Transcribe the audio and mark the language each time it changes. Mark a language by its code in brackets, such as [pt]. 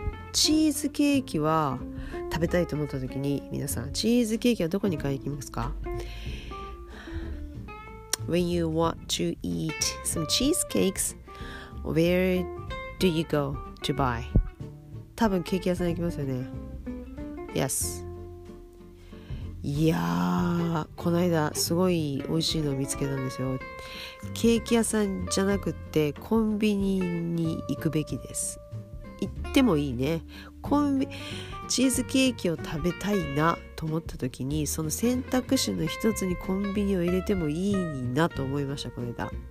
[ja] チーズケーキは食べたいと思った時に、皆さんチーズケーキはどこに買いに行きますか？ [en] When you want to eat some cheesecakes, where do you go to buy? [ja] 多分ケーキ屋さん行きますよね。 [en] Yes。 [ja] いやー、この間すごい美味しいのを見つけたんですよ。ケーキ屋さんじゃなくてコンビニに行くべきです。行ってもいいね。コンビチーズケーキを食べたいなと思った時に、その選択肢の一つにコンビニを入れてもいいなと思いました、この間。